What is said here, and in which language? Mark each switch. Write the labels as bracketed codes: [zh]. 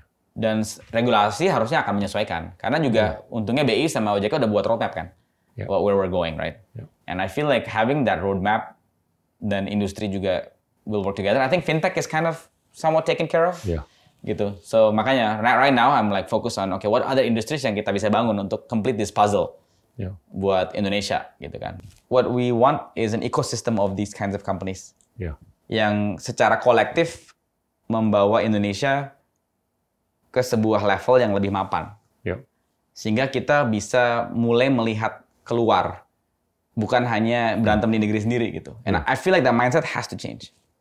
[id] Dan regulasi harusnya akan menyesuaikan. Karena juga untungnya BI sama OJK udah buat roadmap, kan? Yeah. [en] Where we're going, right? Yeah. And I feel like having that roadmap, then industry juga will work together. I think fintech is kind of somewhat taken care of. Yeah. Gitu. So makanya right now I'm like focused on what other industries [id] yang kita bisa bangun [en] untuk complete this puzzle. Yeah. [id] Buat Indonesia, gitu kan. [en] What we want is an ecosystem of these kinds of companies. Yeah. [id] Yang secara kolektif membawa Indonesia ke sebuah level yang lebih mapan. Yeah. Sehingga kita bisa mulai melihat keluar. Bukan hanya berantem di negeri sendiri gitu. [en] And I feel like that mindset has to change.